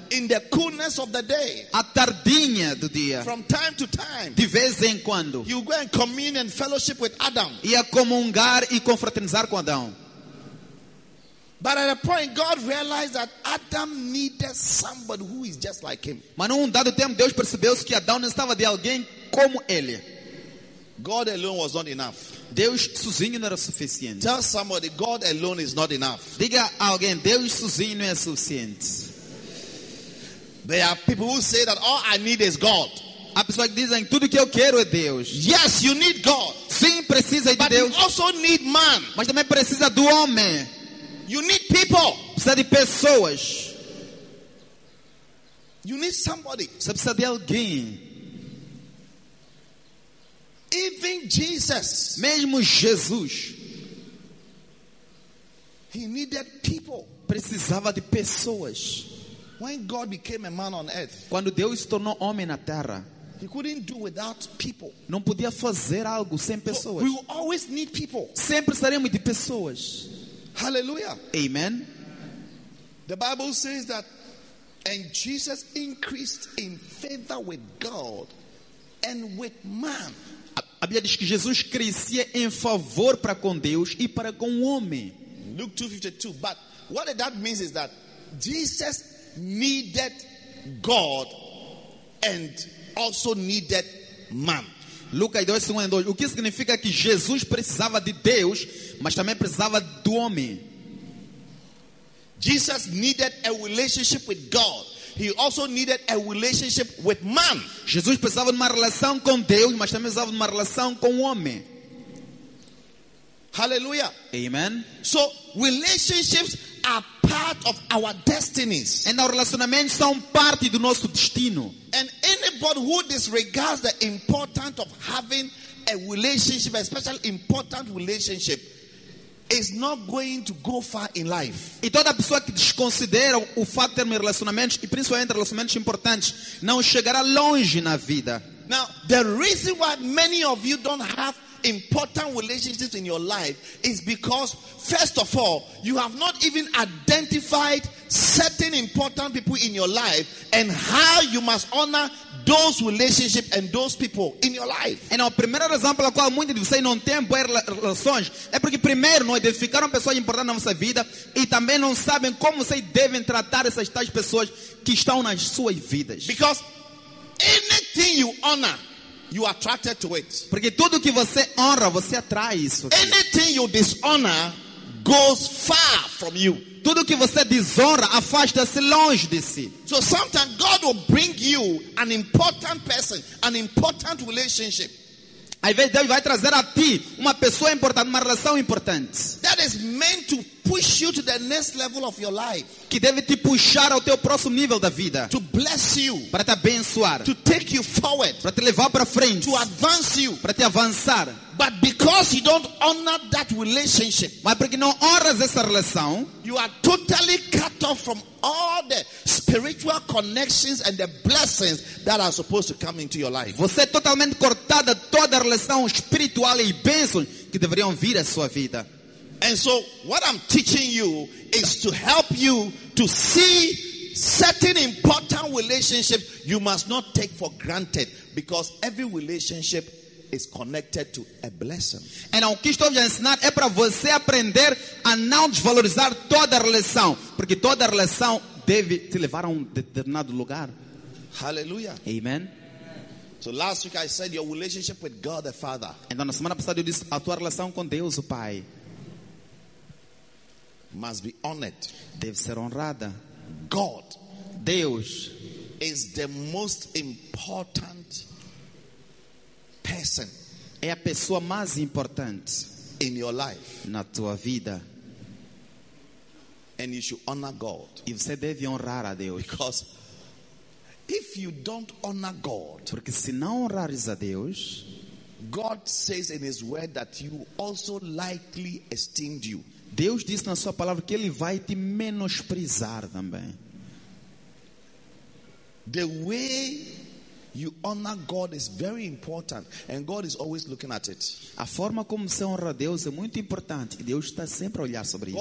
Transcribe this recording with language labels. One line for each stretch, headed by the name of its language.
English: In the coolness of the day.
Portuguese: À tardinha do dia.
English: From time to time.
Portuguese: De vez em quando.
English: You go and commune and fellowship with Adam.
Portuguese: Ia comungar e confraternizar com Adão.
English: But at a point, God realized that Adam needed somebody who is just like him.
Portuguese: Mas num dado tempo Deus percebeu que Adão necessitava de alguém como ele.
English: God alone was not enough.
Portuguese: Deus sozinho não era suficiente.
English: Tell somebody, God alone is not enough.
Portuguese: Diga alguém, Deus sozinho não é suficiente.
English: There are people who say that all I need is God.
Portuguese: Há pessoas que dizem tudo que eu quero é Deus.
English: Yes, you need God.
Portuguese: Sim, precisa de
English: but
Portuguese: Deus.
English: But you also need man.
Portuguese: Mas também precisa do homem.
English: You need people.
Portuguese: Precisa de pessoas.
English: You need somebody.
Portuguese: Você precisa de alguém.
English: Even Jesus,
Portuguese: mesmo Jesus,
English: he needed people.
Portuguese: Precisava de pessoas.
English: When God became a man on earth,
Portuguese: quando Deus se tornou homem na terra,
English: he couldn't do without people.
Portuguese: Não podia fazer algo sem pessoas.
English: We will always need people.
Portuguese: Sempre estaremos de pessoas.
English: Hallelujah.
Portuguese: Amen.
English: The Bible says that, and Jesus increased in favor with God and with man.
Portuguese: A Bíblia diz que Jesus crescia em favor para com Deus e para com o homem.
English: Luke 2:52. But what that means is that Jesus needed God and also needed man.
Portuguese: Lucas 2:52. O que significa que Jesus precisava de Deus, mas também precisava do homem.
English: Jesus needed a relationship with God. He also needed a relationship with man.
Portuguese: Jesus precisava de uma relação com Deus, mas também precisava de uma relação com o homem.
English: Hallelujah.
Portuguese: Amen.
English: So, relationships are part of our destinies.
Portuguese: E os relacionamentos são parte do nosso destino.
English: And anybody who disregards the importance of having a relationship, especially important relationship, is not going to go far in life.
Portuguese: E toda pessoa que desconsidera o fato de ter relacionamentos, e principalmente relacionamentos importantes, não chegará longe na vida.
English: Now, the reason why many of you don't have important relationships in your life is because, first of all, you have not even identified certain important people in your life and how you must honor those relationships and those people in your life.
Portuguese: E a primeira razão pela qual muitos de vocês não têm boas relações é porque primeiro não identificaram pessoas importantes na sua vida e também não sabem como vocês devem tratar essas tais pessoas que estão nas suas vidas.
English: Because anything you honor, you are attracted to it.
Portuguese: Porque tudo que você honra, você atrai isso.
English: Anything you dishonor goes far from you.
Portuguese: Tudo que você desonra afasta-se longe de si.
English: So sometimes God will bring you an important person, an important relationship.
Portuguese: Às vezes Deus vai trazer a ti uma pessoa importante, uma relação importante.
English: That is meant to push you to the next level of your life.
Portuguese: Que deve te puxar ao teu próximo nível da vida.
English: To bless you.
Portuguese: Para te abençoar.
English: To take you forward.
Portuguese: Para te levar para frente.
English: To advance you.
Portuguese: Para te avançar.
English: But because you don't honor that relationship,
Portuguese: mas porque não honras essa relação,
English: you are totally cut off from all the spiritual connections and the blessings that are supposed to come into your life.
Portuguese: Você é totalmente cortada toda a relação espiritual e bênçãos que deveriam vir à sua vida.
English: And so, what I'm teaching you is to help you to see certain important relationships you must not take for granted, because every relationship is connected to a blessing.
Portuguese: And o que estou a ensinar é para você aprender a não desvalorizar toda a relação, porque toda a relação deve te levar a determinado lugar.
English: Hallelujah.
Portuguese: Amen.
English: So last week I said your relationship with God the Father.
Portuguese: Então na semana passada eu disse a tua relação com Deus o Pai
English: must be honored.
Portuguese: Deve ser honrada.
English: God,
Portuguese: Deus,
English: is the most important person.
Portuguese: É a pessoa mais importante
English: in your life.
Portuguese: Na tua vida.
English: And you should honor God.
Portuguese: E você deve honrar a Deus.
English: Because if you don't honor God,
Portuguese: porque se não honrares a Deus,
English: God says in his word that you also likely esteemed you.
Portuguese: Deus diz na sua palavra que ele vai te menosprezar também.
English: The way you honor God is very important, and God is always looking at it.
Portuguese: A forma como você honra Deus é muito importante, e Deus está sempre a olhar sobre isso.